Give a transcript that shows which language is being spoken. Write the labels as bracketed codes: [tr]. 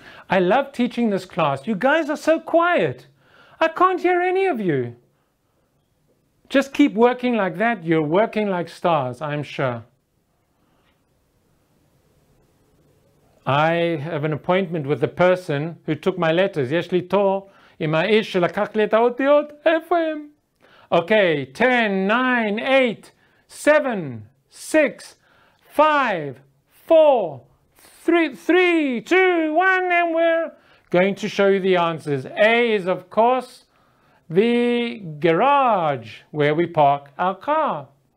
[en] I love teaching this class. You guys are so quiet. I can't hear any of you. Just keep working like that. You're working like stars, I'm sure. I have an appointment with the person who took my letters. [he] יש לי תור עם האיש שלקח לי את האותיות. איפה הם? [en] Okay, 10, 9, 8, 7, 6, 5, 4, Three, two, one, and we're going to show you the answers. A is, of course, the garage where we park our car.